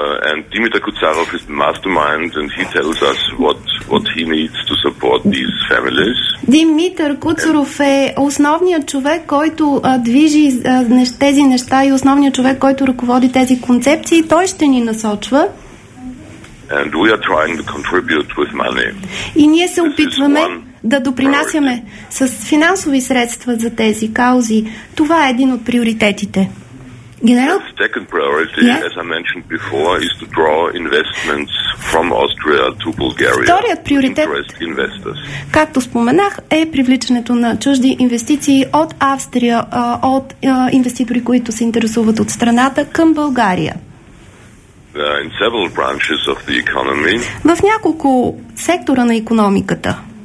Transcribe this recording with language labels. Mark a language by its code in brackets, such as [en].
[en] And Dimitar Kucharov is the mastermind and he tells us what he needs to support these families. [bg] Димитър Куцаров е основният човек, който движи тези неща и основният човек, който ръководи тези концепции, той ще ни насочва. [en] And we are trying to contribute with money. [bg] И ние се опитваме да допринасяме с финансови средства за тези каузи. Това е един от приоритетите. [en] General? Second priority, yeah. As I mentioned before, is to draw investments from Austria to Bulgaria. [bg] Вторият приоритет, както споменах, е привличането на чужди инвестиции от Австрия, от инвеститори, които се интересуват от страната, към България. [en] In several branches of the economy. [bg] В няколко сектора на икономиката.